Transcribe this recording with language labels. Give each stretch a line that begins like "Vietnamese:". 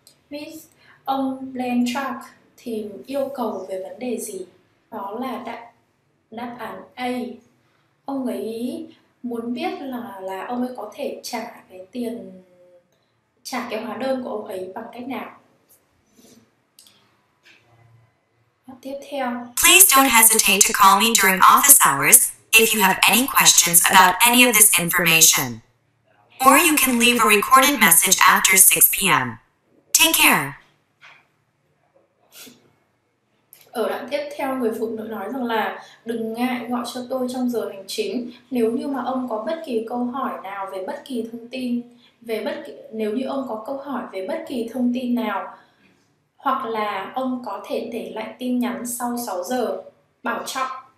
Vietnamese: Miss, ông Landtruck thì yêu cầu về vấn đề gì? Đó là đáp án A. Ông ấy muốn biết là ông ấy có thể trả cái tiền, trả cái hóa đơn của ông ấy bằng cách nào? Tiếp theo.
English: Please don't hesitate to call me during office hours if you have any questions about any of this information. Or you can leave a recorded message after 6 p.m. Take care.
Vietnamese: Ở đoạn tiếp theo, người phụ nữ nói rằng là đừng ngại gọi cho tôi trong giờ hành chính nếu như mà ông có bất kỳ câu hỏi nào về bất kỳ thông tin về bất kỳ, nếu như ông có câu hỏi về bất kỳ thông tin nào hoặc là ông có thể để lại tin nhắn sau 6 giờ. Bảo trọng.